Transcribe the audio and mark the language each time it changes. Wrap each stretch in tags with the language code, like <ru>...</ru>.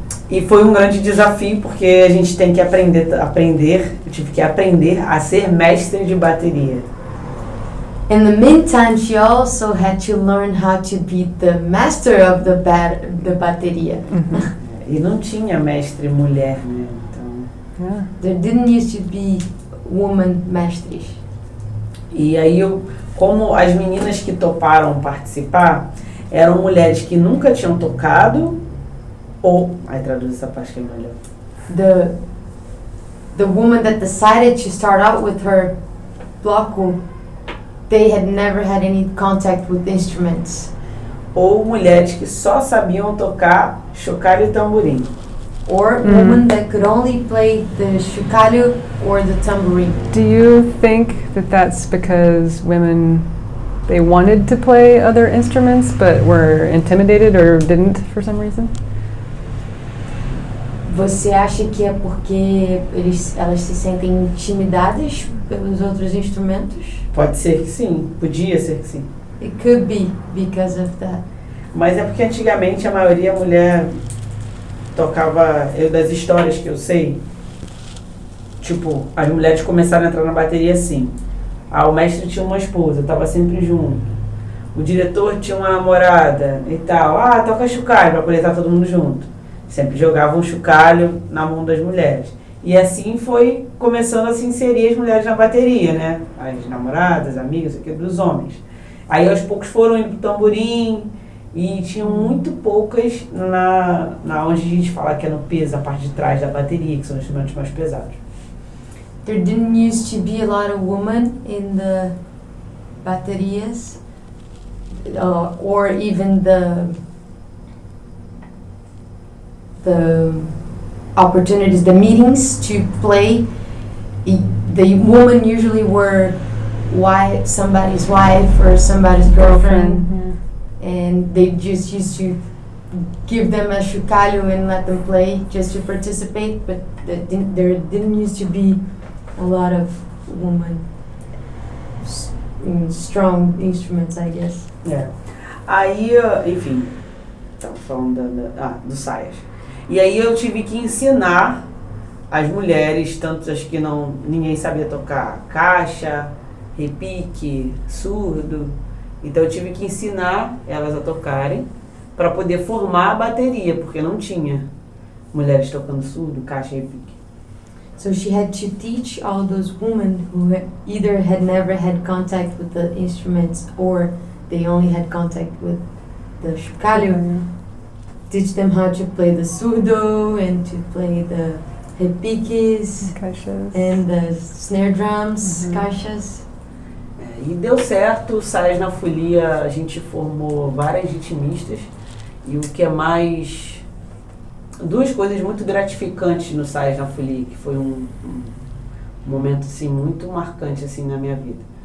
<pt>E foi um grande desafio, porque a gente tem que aprender, eu tive que aprender a ser mestre de bateria.</pt> <en>In the meantime, she also had to learn how to be the master of the bateria.</en> <pt>E não tinha mestre mulher, né? Então,</pt> <en>there didn't used to be woman mestres.</en> <pt>E aí, como as meninas que toparam participar eram mulheres que nunca tinham tocado, ou aí traduz essa parte que é melhor.</pt> <en>The woman that decided to start out with her bloco, they had never had any contact with instruments.</en> <pt>Ou mulheres que só sabiam tocar chocalho e tamborim.</pt> <en>Or women that could only play the chocalho or the tamborim. Do you think that that's because women, they wanted to play other instruments but were intimidated or didn't for some reason?</en> <pt>Você acha que é porque elas se sentem intimidadas pelos outros instrumentos? Pode ser que sim. Podia ser que sim.</pt> <en>It could be because of that.</en> <pt>Mas é porque antigamente a maioria mulher tocava, das histórias que eu sei, tipo, as mulheres começaram a entrar na bateria assim. Ah, o mestre tinha uma esposa, tava sempre junto. O diretor tinha uma namorada e tal. Ah, toca chocalho pra poder estar todo mundo junto. sempre jogava um chocalho na mão das mulheres. E assim foi começando a se inserir as mulheres na bateria, né? As namoradas, amigas, aqui dos homens. Aí aos poucos foram indo pro tamborim e tinham muito poucas na onde a gente fala que é no peso, a parte de trás da bateria, que são os instrumentos mais pesados.</pt> <en>There didn't used to be a lot of women in the baterias or even the opportunities, the meetings to play. The women usually were somebody's wife or somebody's girlfriend. Mm-hmm. And they just used to give them a chocalho and let them play just to participate, but there didn't used to be a lot of women strong instruments, I guess. Yeah.</en> <pt>Aí, enfim, estava falando do saias. E aí eu tive que ensinar as mulheres, tanto as que ninguém sabia tocar caixa, repique, surdo. Então eu tive que ensinar elas a tocarem para poder formar a bateria, porque não tinha mulheres tocando surdo, caixa, repique.</pt> <en>So she had to teach all those women who either had never had contact with the instruments or they only had contact with the chocalho, teach them how to play the surdo and to play the repiques,</en> <pt>caixas,</pt> <en>and the snare drums, mm-hmm, caixas.</en> <pt>E deu certo, saias na folia, a gente formou várias ritmistas. E o que é mais... duas coisas muito gratificantes no saias na folia, que foi um momento assim, muito marcante assim, na minha vida.</pt>